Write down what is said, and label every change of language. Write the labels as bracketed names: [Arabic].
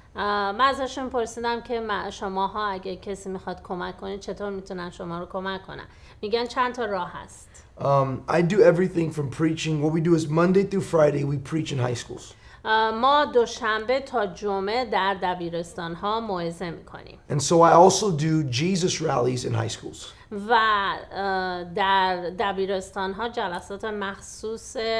[Persian] من ازشون پرسیدم که شماها اگه کسی میخواد کمک کنه چطور میتونن شما رو کمک کنن. میگن چند تا راه هست. [English] I do everything from preaching. What we do is Monday through Friday we preach in high schools. [Persian] ما دوشنبه تا جمعه در دبیرستان ها موعظه میکنیم. [English] And so I also do Jesus rallies in high schools. [Persian] و در دبیرستان ها جلسات مخصوص